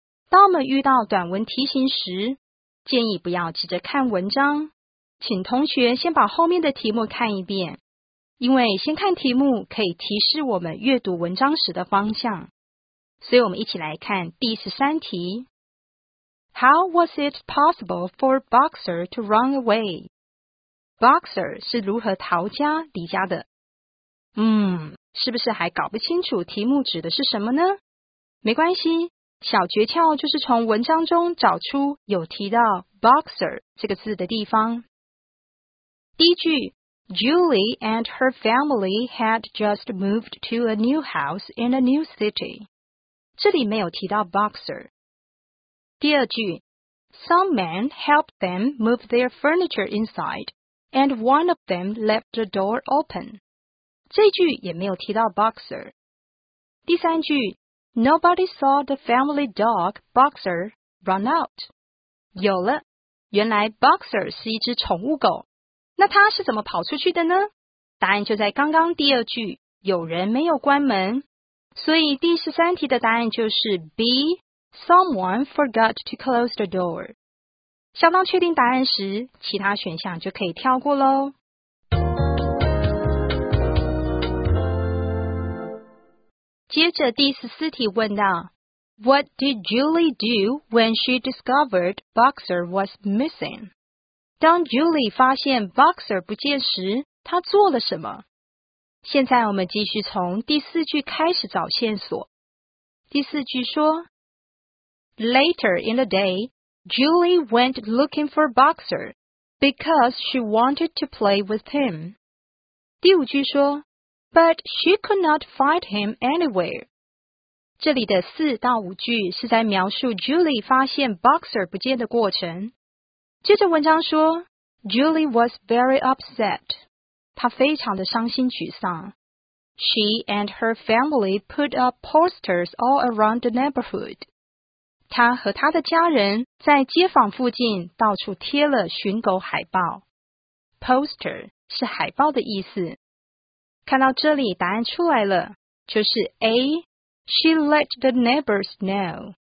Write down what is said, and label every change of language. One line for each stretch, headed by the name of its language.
Chinese: 当我们遇到短文题型时，建议不要急着看文章，请同学先把后面的题目看一遍，因为先看题目可以提示我们阅读文章时的方向。所以我们一起来看第13题。
English: How was it possible for Boxer to run away?
Chinese: Boxer 是如何逃家离家的？是不是还搞不清楚题目指的是什么呢？没关系，小诀窍就是从文章中找出有提到 Boxer 这个字的地方。第一句，
English: Julie and her family had just moved to a new house in a new city.
Chinese: 这里没有提到 Boxer。第二句，
English: Some men helped them move their furniture inside, and one of them left the door open.
Chinese: 这句也没有提到 Boxer。第三句，
English: Nobody saw the family dog Boxer run out.
Chinese: 有了，原来 Boxer 是一只宠物狗，那他是怎么跑出去的呢？答案就在刚刚第二句，有人没有关门。所以第13题的答案就是 B,
English: someone forgot to close the door.
Chinese: 相当确定答案时，其他选项就可以跳过咯。接着第14题问到，
English: What did Julie do when she discovered Boxer was missing?
Chinese: 当 Julie 发现 Boxer 不见时，她做了什么？现在我们继续从第四句开始找线索。第四句说，
English: Later in the day, Julie went looking for Boxer because she wanted to play with him.
Chinese: 第五句说，
English: But she could not find him anywhere.
Chinese: 这里的四到五句是在描述 Julie 发现 Boxer 不见的过程。接着文章说，
English: Julie was very upset.
Chinese: 她非常的伤心沮丧。
English: She and her family put up posters all around the neighborhood.
Chinese: 她和她的家人在街坊附近到处贴了寻狗海报。 Poster 是海报的意思。看到这里答案出来了，就是 A,
English: She let the neighbors know.